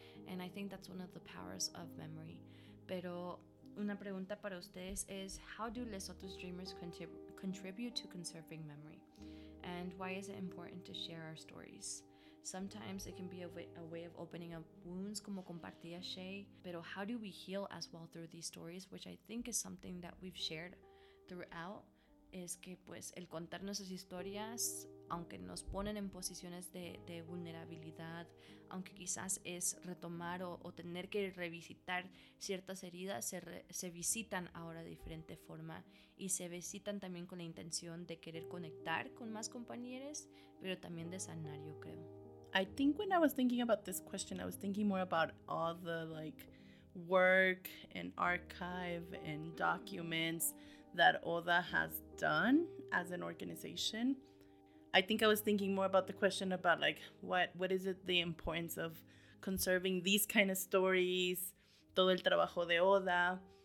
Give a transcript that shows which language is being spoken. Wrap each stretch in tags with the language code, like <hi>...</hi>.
<en>And I think that's one of the powers of memory.</en> <es>Pero una pregunta para ustedes</es> <en>is, how do Les Otros Dreamers contribute to conserving memory? And why is it important to share our stories? Sometimes it can be a way of opening up wounds,</en> <es>como compartía Shay.</es> <en>Pero how do we heal as well through these stories? Which I think is something that we've shared throughout.</en> <es>Es que pues el contar nuestras historias, aunque nos ponen en posiciones de vulnerabilidad, aunque quizás es retomar o tener que revisitar ciertas heridas, se visitan ahora de diferente forma y se visitan también con la intención de querer conectar con más compañeros, pero también de sanar, yo creo.</es> <en>I think when I was thinking about this question, I was thinking more about all the like work and archive and documents that ODA has done as an organization. I think I was thinking more about the question about like, what is it, the importance of conserving these kind of stories,</en> <es>todo el trabajo de ODA.</es>